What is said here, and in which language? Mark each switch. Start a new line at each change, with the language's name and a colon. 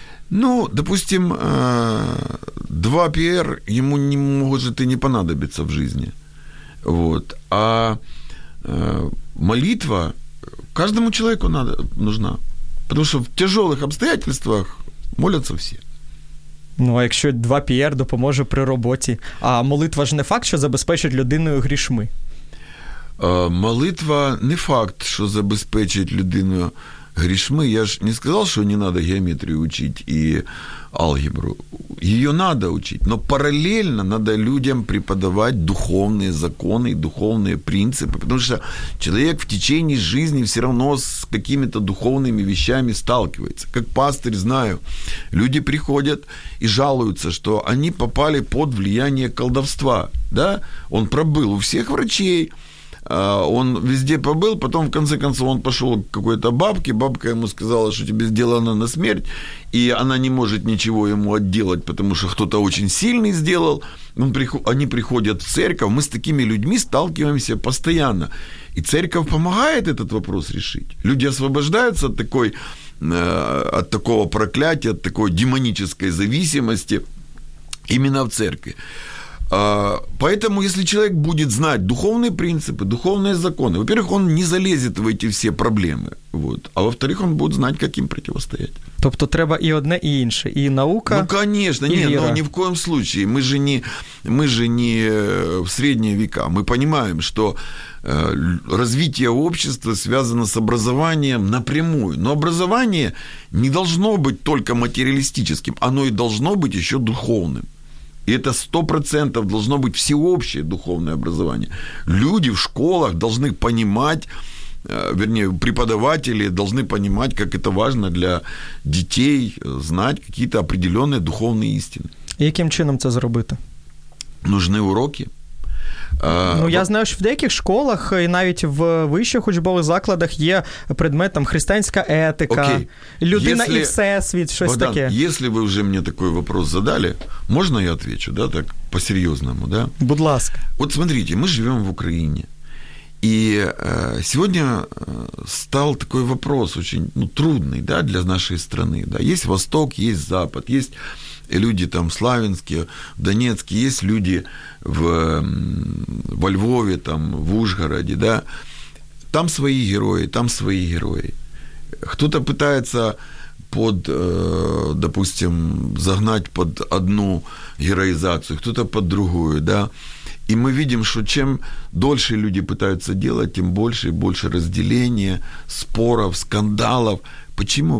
Russian: Ну, допустим, 2 PR ему не может и не понадобиться в жизни. Вот. А молитва каждому человеку нужна. Потому что в тяжелых обстоятельствах молятся все.
Ukrainian: Ну, а якщо 2 PR допоможе при роботі? А молитва ж не факт, що забезпечить людину грішми? Молитва не факт, що забезпечить людину грішми. Я ж не сказав, що не треба геометрію вчити і алгебру. Її треба вчити. Але паралельно треба людям преподавати духовні закони і духовні принципи. Тому що чоловік
Russian: в течение
Ukrainian: життя все одно з якими-то духовними вещами сталкивается. Як пастир, знаю, люди приходять
Russian: и жалуются, что они попали под влияние колдовства, да? Он пробыл у всех врачей, он везде побыл, потом, в конце концов, он пошел к какой-то бабке, бабка ему сказала, что тебе сделано на смерть, и она не может ничего ему отделать, потому что кто-то очень сильный сделал, они приходят в церковь, мы с такими людьми сталкиваемся постоянно, и церковь помогает этот вопрос решить. Люди освобождаются от такой... от такого проклятия, от такой демонической зависимости именно в церкви. Поэтому, если человек будет знать духовные принципы, духовные законы, во-первых, он не залезет в эти все проблемы, вот, а во-вторых, он будет знать, как им противостоять.
Ukrainian: Тобто треба і одне, і інше. І наука,
Russian: ну, конечно,
Ukrainian: і віра. Ну, ні в коєм случае. Ми ж не в середні віка. Ми розуміємо, що розвиття общества зв'язано з образованням напрямую.
Russian: Но образование не должно быть только материалистическим. Оно і должно быть еще духовним. И это 100% должно быть всеобщее духовное образование. Люди в школах должны понимать вернее, преподаватели должны понимать, как это важно для детей знать какие-то определенные духовные истины.
Ukrainian: Яким чином це зробити?
Russian: Нужны уроки.
Ukrainian: Ну, я знаю, що в деяких школах і навіть в вищих учбових закладах є предмет там християнська етика, людина і всесвіт, щось Богдан, таке. Якщо ви вже мені такий вопрос задали, можна я відвечу, да, так, по-серйозному, да? Будь ласка. От смотрите, ми живемо в Україні. І сьогодні став такий вопрос очень, ну, трудний, да, для нашої країни, да.
Russian: Є Восток, є Запад,
Ukrainian: є люди там
Russian: в Славянске, в Донецке, есть люди во Львове, там, в Ужгороде, да, там свои герои, там свои герои. Кто-то пытается под, допустим, загнать под одну героизацию, кто-то под другую, да, и мы видим, что чем дольше люди пытаются делать, тем больше и больше разделения, споров, скандалов. Почему?